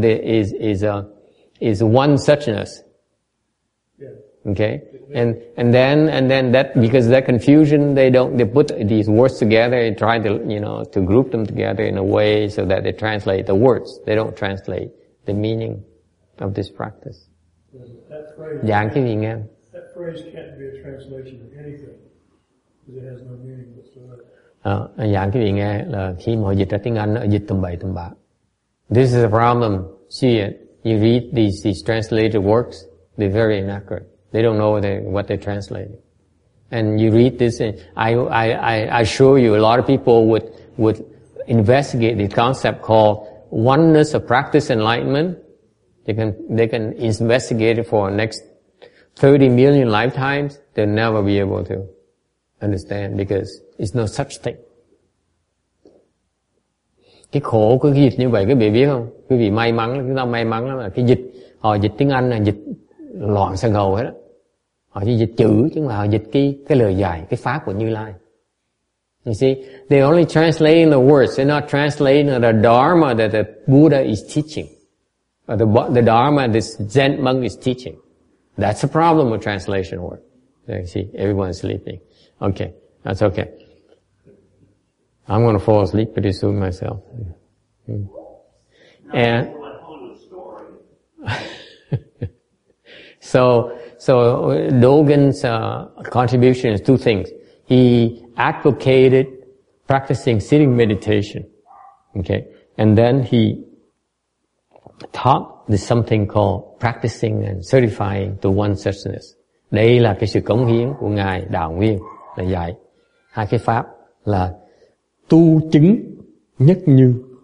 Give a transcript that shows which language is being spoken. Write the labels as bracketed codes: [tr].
[en] One suchness. Okay, and then that because of that confusion, they put these words together and try to to group them together in a way so that they translate the words. They don't translate the meaning of this practice. That phrase can't be a translation of anything because it has no meaning whatsoever. [vi] Giảng cái vị nghe là khi mà dịch ra tiếng Anh, dịch tùm bậy tùm bạ. [en] This is a problem. See it. You read these translated works, they're very inaccurate. They don't know what they're translating. And you read this, and I assure you, a lot of people would investigate the concept called oneness of practice enlightenment. They can investigate it for the next 30 million lifetimes. They'll never be able to understand because it's no such thing. [vi] Cái khổ của cái dịch như vậy, quý vị biết không? Quý vị may mắn, chúng ta may mắn lắm. Cái dịch, họ dịch tiếng Anh là dịch loạn sang hầu hết đó. Họ chỉ dịch chữ chứ mà họ dịch cái lời dạy, cái pháp của Như Lai. [en] You see, they're only translating the words. They're not translating the Dharma that the Buddha is teaching. Or the Dharma that this Zen monk is teaching. That's the problem with translation work. You see, everyone's sleeping. Okay, that's okay. I'm going to fall asleep pretty soon myself. And So Dogen's contribution is two things. He advocated practicing sitting meditation, okay, and then he taught this something called practicing and certifying to one suchness. [vi] Đây là cái sự cống hiến của ngài Đạo Nguyên là dạy hai cái pháp là tu chứng nhất như.